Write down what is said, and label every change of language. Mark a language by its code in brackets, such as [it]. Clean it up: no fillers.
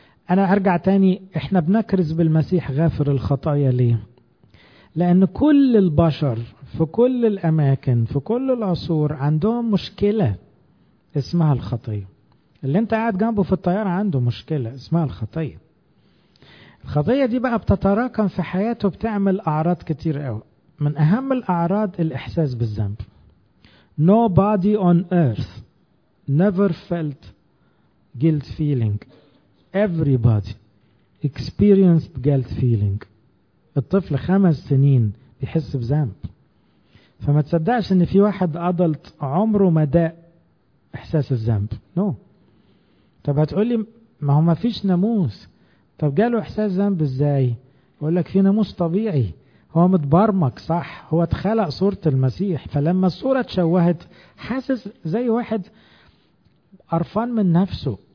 [ar] أنا أرجع تاني، إحنا بنكرز بالمسيح غافر الخطايا ليه؟ لأن كل البشر في كل الأماكن في كل العصور عندهم مشكلة اسمها الخطية. اللي انت قاعد جنبه في الطيارة عنده مشكلة اسمها الخطية. الخطية دي بقى بتتراكم في حياته بتعمل أعراض كتير قوي. من أهم الأعراض الإحساس بالذنب. [en] Nobody on earth never felt guilt feeling. Everybody experienced guilt feeling. [ar] الطفل 5 سنين بيحس بذنب. فما تصدقش إن في واحد أضلت عمره ما داء إحساس الذنب. [en] No. [ar] طب هتقولي ما هو ما فيش ناموس. طب جاله إحساس ذنب إزاي؟ أقولك في ناموس طبيعي. هو متبرمج صح، هو اتخلق صورة المسيح، فلما الصورة تشوهت حاسس زي واحد قرفان من نفسه.